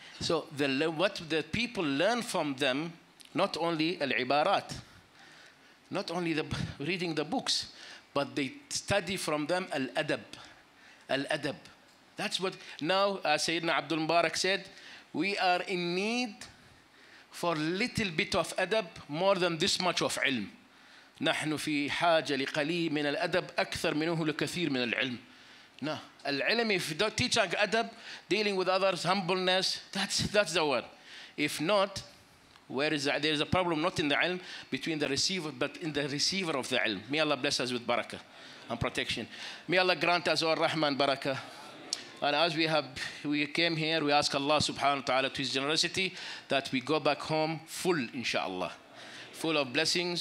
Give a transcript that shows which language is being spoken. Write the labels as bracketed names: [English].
[English] So what the people learn from them, not only al-ibarat, not only the reading the books, but they study from them al-adab. Al-adab. That's what now Sayyidina Abdul Mubarak said, we are in need for little bit of adab more than this much of ilm. [Arabic] نحن في حاجة لقليل من الأدب أكثر منه لكثير من العلم. [English] No. Al-ilm, if you don't teach adab, dealing with others, humbleness, that's the word. If not, where is there is a problem not in the ilm, between the receiver, but in the receiver of the ilm. May Allah bless us with barakah and protection. May Allah grant us all rahman barakah. And as we came here, we ask Allah subhanahu wa ta'ala to his generosity that we go back home full, inshallah, full of blessings.